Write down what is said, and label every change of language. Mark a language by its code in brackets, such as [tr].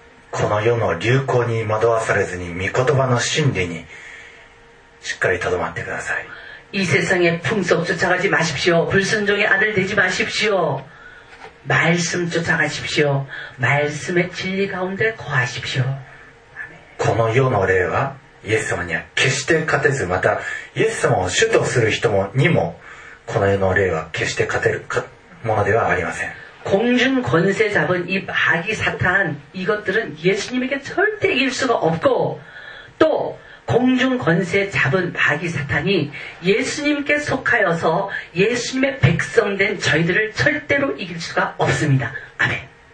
[ja] この世の流行に惑わされずに御言葉の真理にしっかりとどまってください [ko] 이세상의풍속쫓아가지마십시오불순종의아들되지마십시오말씀쫓아가십시오말씀의진리가운데거하십시오 [ja] この世の霊はイエス様には決して勝てずまたイエス様を主とする人にもこの世の霊は決して勝てるものではありません [ko] 공중권세잡은이마귀사탄이것들은예수님에게절대이길수가없고또공중권세잡은마귀사탄이예수님께속하여서예수님의백성된저희들을절대로이길수가없습니다아멘